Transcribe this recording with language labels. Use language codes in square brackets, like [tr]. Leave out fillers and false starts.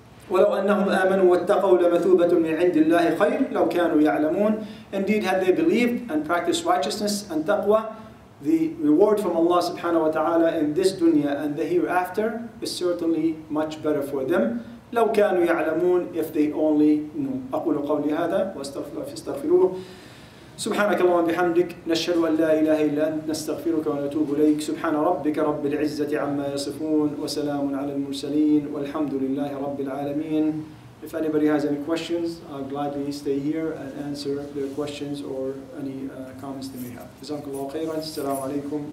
[ar] وَلَوْ أَنَّهُمْ آمَنُوا وَاتَّقَوْا لَمَثُوبَةٌ مِنْ عِنْدِ اللَّهِ خَيْرٌ لَوْ كَانُوا يَعْلَمُونَ. [en] Indeed, had they believed and practiced righteousness and taqwa, the reward from Allah subhanahu wa ta'ala in this dunya and the hereafter is certainly much better for them. [ar] لَوْ كَانُوا يَعْلَمُونَ, [en] if they only knew. [ar] أَقُولُ قَوْلِ هَذَا وَاسْتَغْفِرُوهُ. سبحانك اللهم بحمدك نشهد أن لا إله إلا أنت نستغفرك ونتوب إليك. سبحان ربك رب العزة عما يصفون وسلام على المرسلين والحمد لله رب العالمين. [en] If anybody has any questions, I'll gladly stay here and answer their questions or any comments they may have. [ar] جزاك الله خيرا. السلام عليكم.